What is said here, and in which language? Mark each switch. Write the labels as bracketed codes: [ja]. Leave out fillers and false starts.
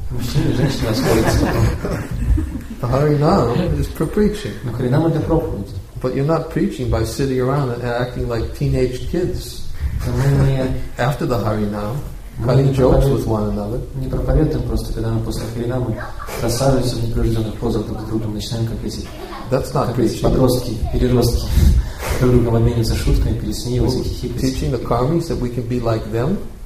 [ru] Мужчины и женщины расходятся. [en] The Harinam is for preaching. [ru] Но Харинам это проповедь. [en] But you're not preaching by sitting around and acting like teenage kids. After the Harinam. Cutting jokes with one another. [ru] Не проповедуем просто, когда мы после харинамы рассаживаемся в непринужденных позах друг к другу, начинаем как эти подростки, переростки, друг друга обмениваться шутками, пересмеиваться, хихикать. [en] Teaching the karmis that we can be like them.